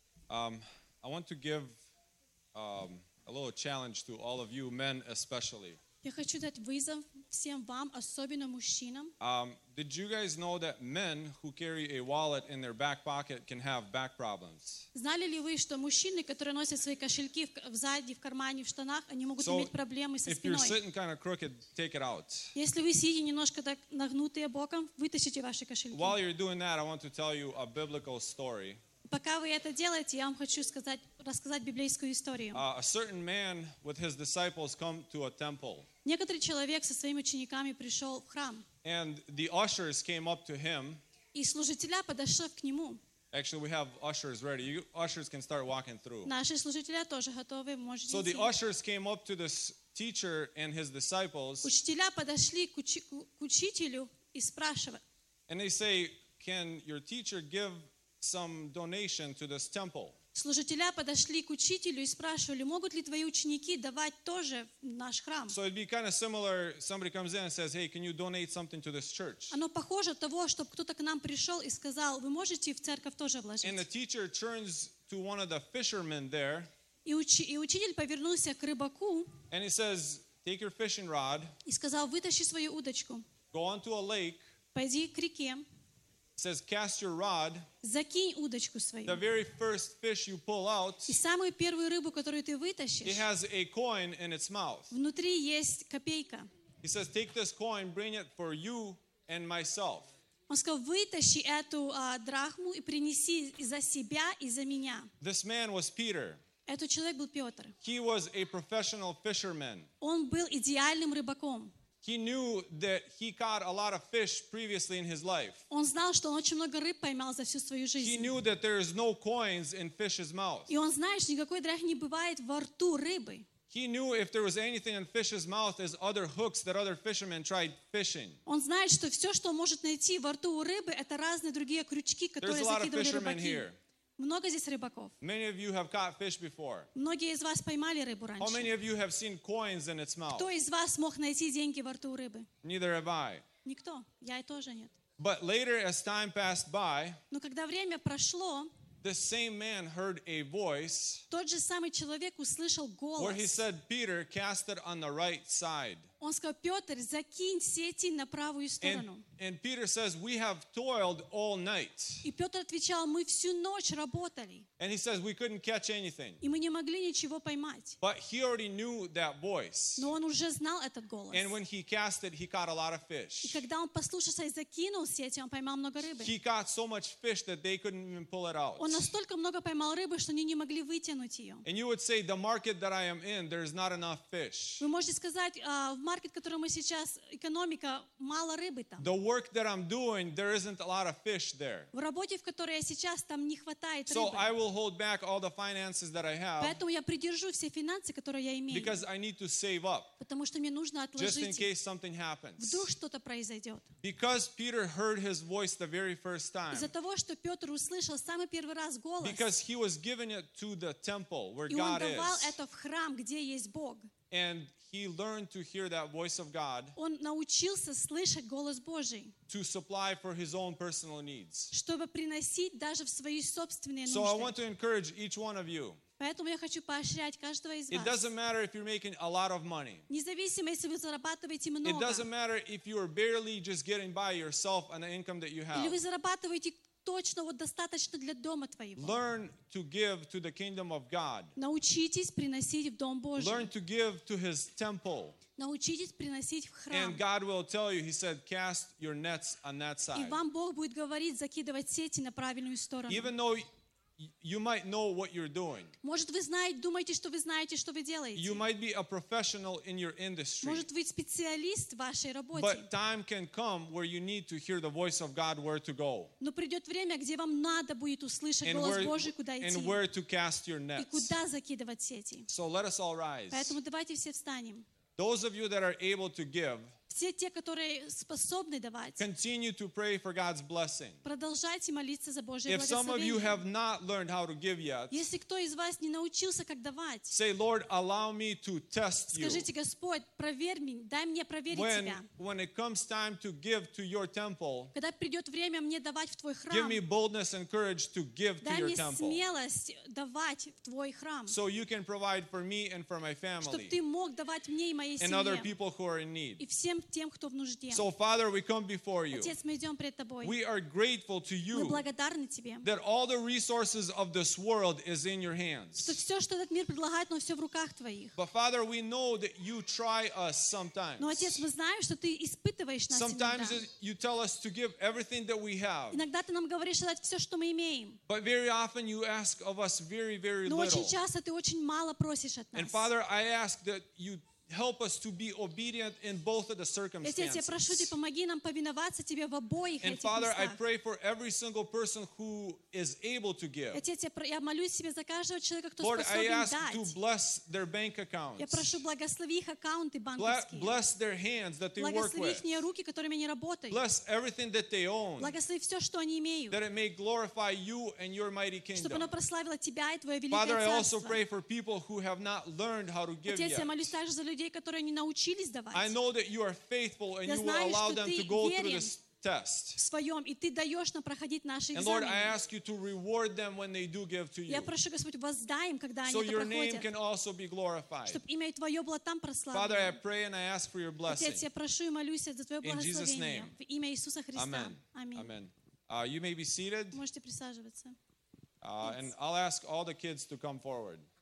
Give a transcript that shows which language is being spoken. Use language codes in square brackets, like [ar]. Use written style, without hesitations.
[en] I want to give a little challenge to all of you men especially. [ru] Я хочу дать вызов всем вам, особенно мужчинам. [en] Did you guys know that men who carry a wallet in their back pocket can have back problems? [ru] Знали ли вы, что мужчины, которые носят свои кошельки в заднем в кармане, в штанах, они могут иметь проблемы со спиной? [en] If you're sitting kind of crooked, take it out. [ru] Если вы сидите немножко так нагнутые боком, вытащите ваши кошельки. [en] While you're doing that, I want to tell you a biblical story. [ru] Пока вы это делаете, я вам хочу сказать, рассказать библейскую историю. [en] A certain man with his disciples come to a temple. [ru] Некоторый человек со своими учениками пришел в храм. [en] And the ushers came up to him. [ru] И служителя подошли к нему. [en] Actually, we have ushers ready. You ushers can start walking through. [ru] Наши служители тоже готовы, можете. [en] So the ushers came up to this teacher and his disciples. [ru] Учителя подошли к учителю и спрашивают. [en] And they say, "Can your teacher give some donation to this temple?" [ru] Служители подошли к учителю и спрашивали, могут ли твои ученики давать тоже в наш храм. [en] So it'd be kind of similar. Somebody comes in and says, "Hey, can you donate something to this church?" [ru] Оно похоже того, чтобы кто-то к нам пришел и сказал, вы можете в церковь тоже вложить. [en] And the teacher turns to one of the fishermen there. [ru] И учитель повернулся к рыбаку. [en] And he says, "Take your fishing rod." [ru] И сказал, вытащи свою удочку. [en] Go onto a lake. [ru] Пойди к реке. [en] Says, cast your rod. [ru] Закинь удочку свою. [en] The very first fish you pull out. [ru] И самую первую рыбу, которую ты вытащишь. [en] It has a coin in its mouth. [ru] Внутри есть копейка. [en] He says, take this coin, bring it for you and myself. [ru] Он сказал, вытащи эту драхму и принеси за себя и за меня. [en] This man was Peter. [ru] Этот человек был Петр. [en] He was a professional fisherman. [ru] Он был идеальным рыбаком. [en] He knew that he caught a lot of fish previously in his life. [ru] Он знал, что он очень много рыб поймал за всю свою жизнь. [en] He knew that there is no coins in fish's mouth. [ru] И он знает, что никакой драхмы не бывает во рту рыбы. [en] He knew if there was anything in fish's mouth is other hooks that other fishermen tried fishing. [ru] Он знает, что все, что может найти во рту у рыбы, это разные другие крючки, которые закидывали рыбаки. [en] There's a lot of fishermen here. [ru] Много здесь рыбаков. [en] Many of you have caught fish before. [ru] Многие из вас поймали рыбу раньше. [en] How many of you have seen coins in its mouth? [ru] Кто из вас мог найти деньги во рту рыбы? [en] Neither have I. [ru] Никто. Я и тоже нет. [en] But later, as time passed by, [ru] но когда время прошло, [en] the same man heard a voice. [ru] Тот же самый человек услышал голос. [en] Where he said, "Peter, cast it on the right side." [ru] Он сказал, Петр, закинь сети на правую сторону. [en] And Peter says, "We have toiled all night." [ru] И Петр отвечал, мы всю ночь работали. [en] And he says, "We couldn't catch anything." [ru] И мы не могли ничего поймать. [en] But he already knew that voice. [ru] Но он уже знал этот голос. [en] And when he cast it, he caught a lot of fish. [ru] И когда он послушался и закинул сети, он поймал много рыбы. [en] He caught so much fish that they couldn't even pull it out. [ru] Он настолько много поймал рыбы, что они не могли вытянуть ее. [en] And you would say, "The market that I am in, there is not enough fish." [ru] Вы можете сказать, в маркет, в котором мы сейчас, экономика, мало рыбы там. [en] The work that I'm doing, there isn't a lot of fish there. [ru] В работе, в которой я сейчас, там не хватает рыбы. [en] So I will hold back all the finances that I have. [ru] Поэтому я придержу все финансы, которые я имею. [en] Because I need to save up. [ru] Потому что мне нужно отложить. [en] Just in case something happens. [ru] Вдруг что-то произойдет. [en] Because Peter heard his voice the very first time. [ru] Из-за того, что Петр услышал самый первый раз голос. [en] Because he was giving it to the temple where God is. [ru] И он давал это в храм, где есть Бог. [en] And he learned to hear that voice of God. [ru] Он научился слышать голос Божий. [en] To supply for his own personal needs. [ru] Чтобы приносить даже в свои собственные нужды. [en] So I want to encourage each one of you. [ru] Поэтому я хочу поощрять каждого из вас. [en] It doesn't matter if you're making a lot of money. [ru] Независимо, если вы зарабатываете много. [en] It doesn't matter if you are barely just getting by yourself on the income that you have. [ru] Или вы зарабатываете точно вот достаточно для дома твоего. [en] Learn to give to the kingdom of God. [ru] Научитесь приносить в дом Божий. [en] Learn to give to his temple. [ru] Научитесь приносить в храм. [en] And God will tell you, he said, cast your nets on that side. [ru] И вам Бог будет говорить закидывать сети на правильную сторону. [en] Even though you might know what you're doing. [ru] Может вы знаете, думаете, что вы знаете, что вы делаете. [en] You might be a professional in your industry. [ru] Может вы специалист в вашей работе. [en] But time can come where you need to hear the voice of God where to go. [ru] Но придет время, где вам надо будет услышать голос Божий, куда идти. [en] And where to cast your nets. [ru] И куда закидывать сети. [en] So let us all rise. [ru] Поэтому давайте все встанем. [en] Those of you that are able to give. [ru] Все те, которые способны давать. [en] Continue to pray for God's blessing. [ru] Продолжайте молиться за Божье благословение. [en] If some of you have not learned how to give yet. [ru] Если кто из вас не научился как давать. [en] Say, "Lord, allow me to test you." [ru] Скажите, Господь, проверь меня, дай мне проверить тебя. [en] When it comes time to give to your temple. [ru] Когда придет время мне давать в твой храм. [en] Give me boldness and courage to give to your temple. [ru] Дай мне смелость давать в твой храм. [en] So you can provide for me and for my family. [ru] Чтобы ты мог давать мне и моей семье. [en] And other people who are in need. [ru] И всем всем тем, кто в нужде. [en] So, Father, we come before you. [ru] Отец, мы идем пред тобой. [en] We are grateful to you. [ru] Мы благодарны тебе. [en] That all the resources of this world is in your hands. [ru] Что все, что этот мир предлагает, но все в руках твоих. [en] But, Father, we know that you try us sometimes. [ru] Но, отец, мы знаем, что ты испытываешь нас [en] sometimes [ru] иногда. [en] Sometimes you tell us to give everything that we have. [ru] Иногда ты нам говоришь дать все, что мы имеем. [en] But very often you ask of us very, very little. [ru] Но очень часто ты очень мало просишь от нас. [en] And, Father, I ask that you help us to be obedient in both of the circumstances. And Father, I pray for every single person who is able to give. Lord, I ask to bless their bank accounts. Bless their hands that they work with. Bless everything that they own. That it may glorify you and your mighty kingdom. Father, I also pray for people who have not learned how to give yet. [ru] Которые не научились давать. [en] I know that you are faithful and you will allow them to go through this test. [ru] В своем, и ты даешь нам проходить наши экзамены. [en] And Lord, I ask you to reward them when they do give to you. [ru] Я прошу, Господь, воздай им, когда они это проходят. [en] So your name can also be glorified. [ru] Чтобы имя твое было там прославлено. [en] Father, I pray and I ask for your blessing. [ru] Отец, я прошу и молюсь за твое благословение. В имя Иисуса Христа. [en] Amen. Amen. You may be seated. [ru] Можете присаживаться. [en] And I'll ask all the kids to come forward.